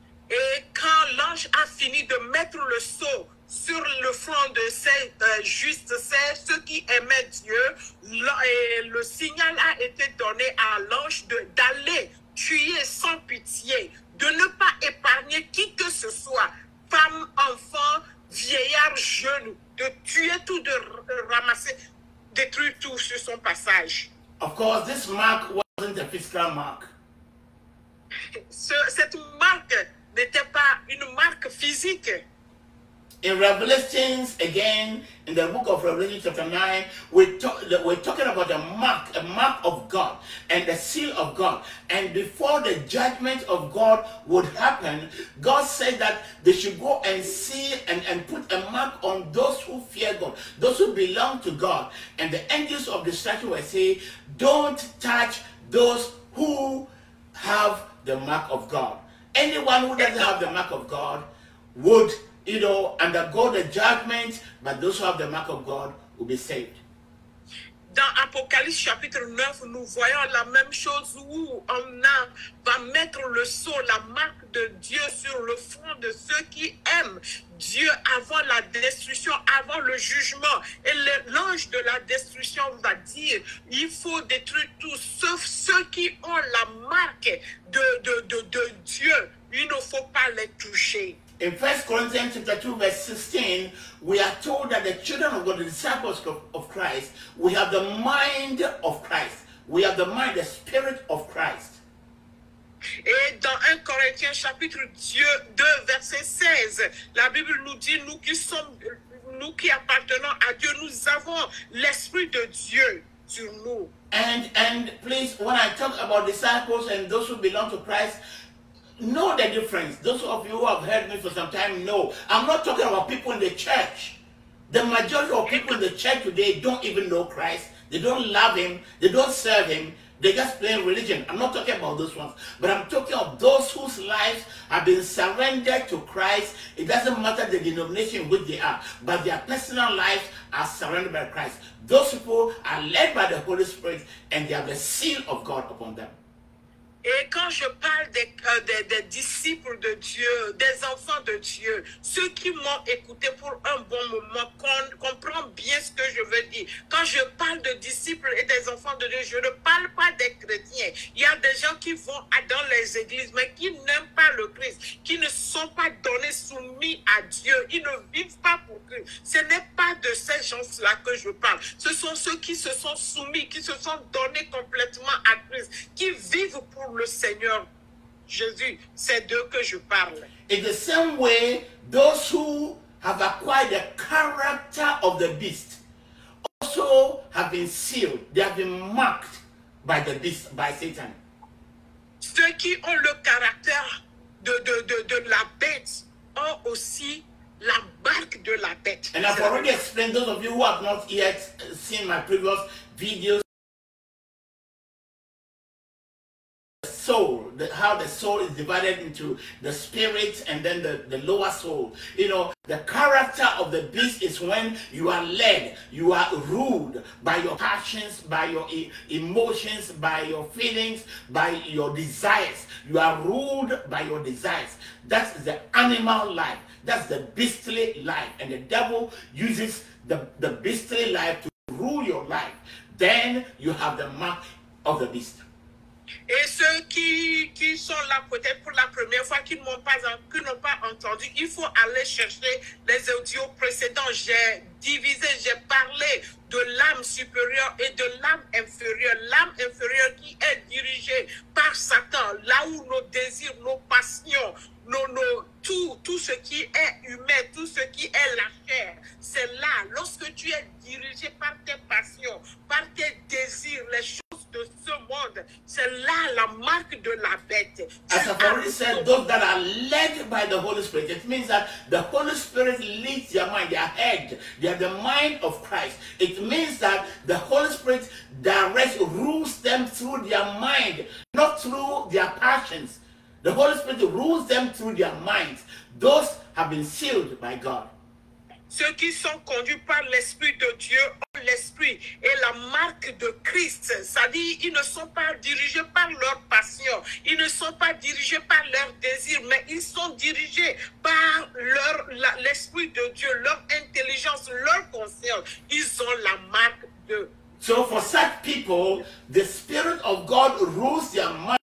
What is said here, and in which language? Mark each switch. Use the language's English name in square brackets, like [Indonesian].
[French] Et quand l'ange a fini de mettre le sceau sur le front de ces justes, ceux qui aimaient Dieu, le signal a été donné à l'ange d'aller tuer sans pitié. De ne pas épargner qui que ce soit, femme, enfant, vieillard, jeune, de tuer tout, de ramasser, détruire tout sur son passage. [English] Of course, this mark wasn't a physical mark. [French] Cette marque n'était pas une marque physique. [English] In Revelations, again, in the book of Revelation chapter 9, we're talking about a mark of God and the seal of God. And before the judgment of God would happen, God said that they should go and seal and put a mark on those who fear God, those who belong to God. And the angels of destruction were saying, don't touch those who have the mark of God. Anyone who doesn't have the mark of God would, you know, undergo the judgment, but those who have the mark of God will be saved. [French] Dans Apocalypse chapitre 9, nous voyons la même chose où on va mettre le sceau, la marque de Dieu sur le front de ceux qui aiment Dieu avant la destruction, avant le jugement. Et l'ange de la destruction va dire, il faut détruire tous sauf ceux qui ont la marque de Dieu. Il ne faut pas les toucher. [English] In 1 Corinthians chapter 2, verse 16, we are told that the children of God, the disciples of Christ, we have the mind of Christ. We have the mind, the spirit of Christ. [French] Et dans 1 Corinthiens chapitre 2, verset 16, la Bible nous dit, nous qui appartenons à Dieu, nous avons l'esprit de Dieu sur nous. [English] And please, when I talk about disciples and those who belong to Christ, know the difference. Those of you who have heard me for some time know. I'm not talking about people in the church. The majority of people in the church today don't even know Christ. They don't love him. They don't serve him. They just play religion. I'm not talking about those ones, but I'm talking of those whose lives have been surrendered to Christ. It doesn't matter the denomination which they are, but their personal lives are surrendered by Christ. Those people are led by the Holy Spirit, and they have the seal of God upon them. [French] Et quand je parle des disciples de Dieu, des enfants de Dieu, ceux qui m'ont écouté pour un bon moment, comprends bien ce que je veux dire. Quand je parle de disciples et des enfants de Dieu, je ne parle pas des chrétiens. Il y a des gens qui vont dans les églises, mais qui n'aiment pas le Christ, qui ne sont pas donnés, soumis à Dieu. Ils ne vivent pas pour Christ. Ce n'est pas de ces gens-là que je parle. Ce sont ceux qui se sont soumis, qui se sont donnés complètement à Christ, qui vivent pour le Seigneur Jésus, c'est d'eux que je parle. [English] In the same way, those who have acquired the character of the beast also have been sealed. They have been marked by the beast, by Satan. [French] Ceux qui ont le caractère de la bête ont aussi la marque de la bête. [English] And I've already explained, those of you who have not yet seen my previous videos, how the soul is divided into the spirit and then the lower soul. You know, the character of the beast is when you are led, you are ruled by your passions, by your emotions, by your feelings, by your desires. You are ruled by your desires. That's the animal life. That's the beastly life. And the devil uses the beastly life to rule your life. Then you have the mark of the beast. [French] Et ceux qui sont là peut-être pour la première fois, qui n'ont pas entendu, il faut aller chercher les audios précédents. J'ai divisé, j'ai parlé de l'âme supérieure et de l'âme inférieure. L'âme inférieure qui est dirigée par Satan, là où nos désirs, nos passions, tout ce qui est humain, tout ce qui est la chair, c'est là. Lorsque tu es dirigé par tes passions, par tes désirs, les choses de ce monde, c'est là la marque de la bête. [English] As I've already said, those that are led by the Holy Spirit, it means that the Holy Spirit leads their mind, their head, they have the mind of Christ. It means that the Holy Spirit directs, rules them through their mind, not through their passions. The Holy Spirit rules them through their minds. Those have been sealed by God. [French] Ceux qui sont conduits par l'Esprit de Dieu ont l'Esprit et la marque de Christ. C'est-à-dire, ils ne sont pas dirigés par leur passion. Ils ne sont pas dirigés par leurs désirs, mais ils sont dirigés par l'Esprit de Dieu, leur intelligence, leur conscience. Ils ont la marque de. [English] So for such people, the Spirit of God rules their mind.